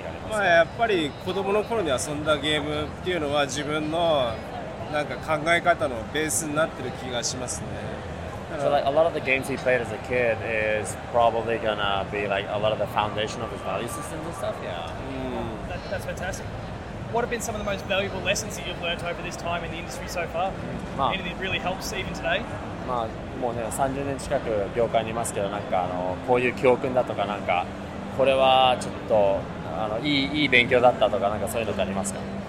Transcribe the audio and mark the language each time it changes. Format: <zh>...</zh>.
<ja>まあ、やっぱり子供の頃に遊んだゲームっていうのは自分のなんか考え方のベースになってる気がしますね。</ja> <en>So like a lot of the games he played as a kid is probably gonna be like a lot of the foundation of his value systems and stuff. Yeah. That's fantastic. What have been some of the most valuable lessons that you've learnt over this time in the industry so far? Anything that really helps even today?</en> <ja>まあもうね30年近く業界にいますけど、なんかこういう教訓だとか、なんかこれはちょっといい勉強だったとか、なんかそういうのありますか？</ja>